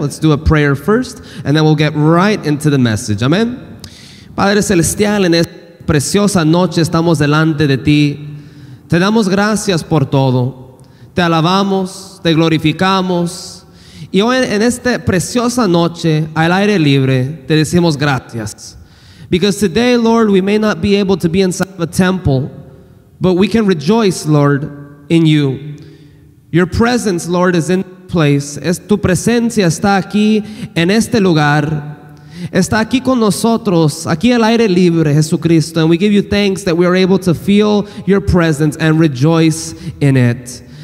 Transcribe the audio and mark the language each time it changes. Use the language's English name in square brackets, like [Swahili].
[English] Let's do a prayer first, and then we'll get right into the message. Amen. [Spanish] Padre celestial, en esta preciosa noche estamos delante de ti. Te damos gracias por todo. Te alabamos, te glorificamos. Y hoy en esta preciosa noche, al aire libre, te decimos gracias. [English] Because today, Lord, we may not be able to be inside of a temple, but we can rejoice, Lord, in you. Your presence, Lord, is in this place. [Spanish] Tu presencia está aquí en este lugar. Está aquí con nosotros, aquí al aire libre, Jesucristo. [English] And we give you thanks that we are able to feel your presence and rejoice in it.